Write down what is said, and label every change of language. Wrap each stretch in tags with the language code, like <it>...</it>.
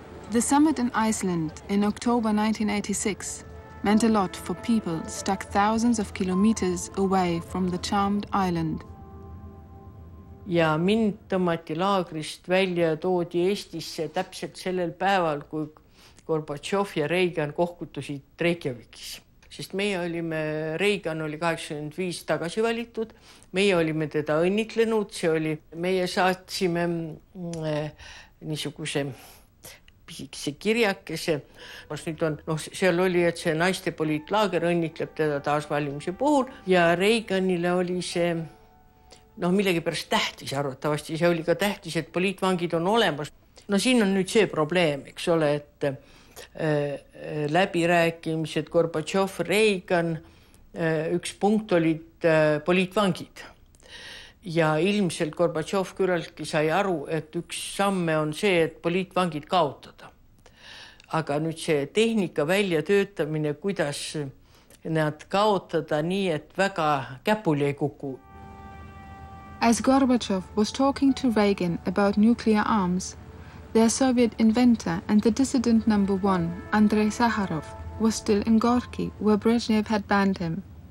<en>The summit in Iceland in October 1986 meant a lot for people stuck thousands of kilometers away from the charmed island.</en> <et>Ja mind tõmmati laagrist välja ja toodi Eestisse täpselt sellel päeval, kui Gorbatšov ja Reagan kohkutusid Reykjavikis. Sest meie olime, Reagan oli 85 tagasi valitud, meie olime teda õnnitlenud, see oli, meie saatsime niisuguse pisikese kirjakese. Nüüd on, no, seal oli, et see naiste poliitlaager õnnitleb teda taas valimise puhul ja Reaganile oli see, noh, millegi pärast tähtis arvatavasti, see oli ka tähtis, et poliitvangid on olemas. No siin on nüüd see probleem, eks ole, et läbirääkimised Gorbatšov, Reagan, üks punkt olid poliitvangid. Ja ilmselt Gorbatšov küllaltki sai aru, et üks samme on see, et poliitvangid kaotada. Aga nüüd see tehnika välja töötamine, kuidas nad kaotada nii, et väga käpuli ei kuku.</et> <en>As Gorbatšov was talking to Reagan about nuclear arms, their Soviet inventor and the dissident number one, Andrei Sakharov, was still in Gorky, where Brezhnev had banned him.</en>